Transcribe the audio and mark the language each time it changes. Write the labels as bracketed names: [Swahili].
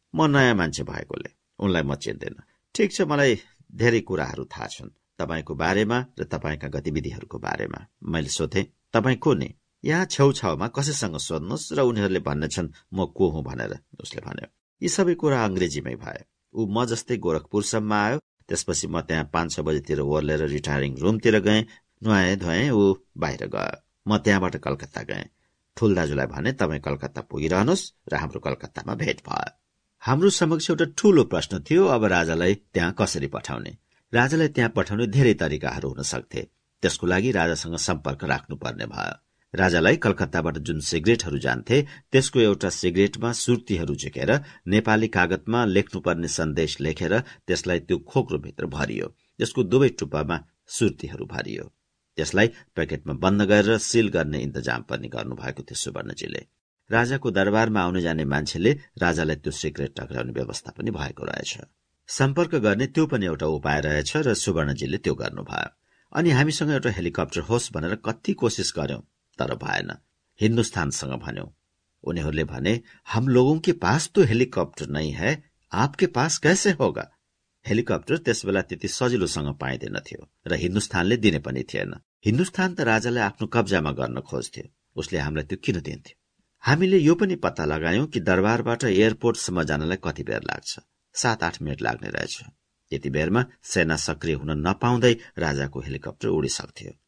[Nepali] म नयाँ मान्छे भएकोले उनलाई म चिन्दिनँ। ठिक छ, मलाई धेरै कुराहरू थाहा छन् तपाईँको बारेमा र तपाईँका गतिविधिहरूको बारेमा। मैले सोधेँ, तपाईँ को नि? यहाँ छेउछाउमा कसैसँग सोध्नुहोस् र उनीहरूले भन्नेछन् म को हुँ भनेर। उसले भन्यो, यी सबै कुरा अङ्ग्रेजीमै भए। ऊ म जस्तै गोरखपुरसम्म आयो। त्यसपछि म त्यहाँ 5-6 बजेतिर ओर्लेर रिटायरिङ रुमतिर गएँ। नुहाएँ धुएँ, ऊ बाहिर गयो। म त्यहाँबाट कलकत्ता गएँ। ठुल दाजुलाई भने, तपाईँ कलकत्ता पुगिरहनुहोस् र हाम्रो कलकत्तामा भेट भयो। हाम्रो समक्ष एउटा ठूलो प्रश्न थियो, अब राजालाई त्यहाँ कसरी पठाउने। राजालाई त्यहाँ पठाउने धेरै तरिकाहरू हुन सक्थे। त्यसको लागि राजासँग सम्पर्क राख्नुपर्ने भयो। राजालाई कलकत्ताबाट जुन सिगरेटहरू जान्थे, त्यसको एउटा सिगरेटमा सुर्तीहरू झिकेर नेपाली कागतमा लेख्नुपर्ने सन्देश लेखेर त्यसलाई त्यो खोक्रोभित्र भरियो। त्यसको दुवै टुप्पामा सुर्तीहरू भरियो। त्यसलाई प्याकेटमा बन्द गरेर सिल गर्ने इन्तजाम पनि गर्नुभएको थियो सुवर्णजीले। राजाको दरबारमा आउने जाने मान्छेले राजालाई त्यो सिगरेट टक्राउने व्यवस्था पनि भएको रहेछ। सम्पर्क गर्ने त्यो पनि एउटा उपाय रहेछ र सुवर्णजीले त्यो गर्नुभयो। अनि हामीसँग एउटा हेलिकप्टर होस् भनेर कति कोसिस गर्यौं तर भएन। हिन्दुस्तानसँग भन्यौं। उनीहरूले भने, [Hindi] हम लोगों के पास तो हेलिकप्टर नहीं है, आपके पास कैसे होगा? [Nepali] हेलिकप्टर त्यस बेला त्यति सजिलोसँग पाइँदैन थियो र हिन्दुस्तानले दिने पनि थिएन। हिन्दुस्तान त राजालाई आफ्नो कब्जामा गर्न खोज्थ्यो, उसले हामीलाई त्यो किन दिन्थ्यो? हामीले यो पनि पत्ता लगायौं कि दरबारबाट एयरपोर्टसम्म जानलाई कति बेर लाग्छ। 7-8 मिनट लाग्ने रहेछ। त्यति बेरमा सेना सक्रिय हुन नपाउँदै राजाको हेलिकप्टर उडिसक्थ्यो।